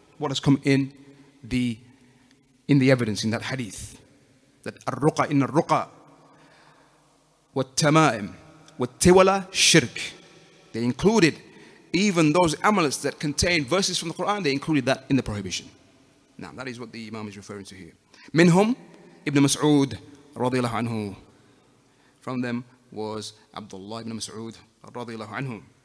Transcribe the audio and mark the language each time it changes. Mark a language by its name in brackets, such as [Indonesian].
[English] What has come in the evidence, in that hadith. That [Arabic] الرقى إن الرقى والتمائم والتولى شرك. [English] They included even those amulets that contain verses from the Quran, they included that in the prohibition. Now, that is what the Imam is referring to here. [Arabic] منهم ابن مسعود رضي الله عنه. [English] From them was Abdullah ibn Mas'ud [Arabic] رضي الله عنه.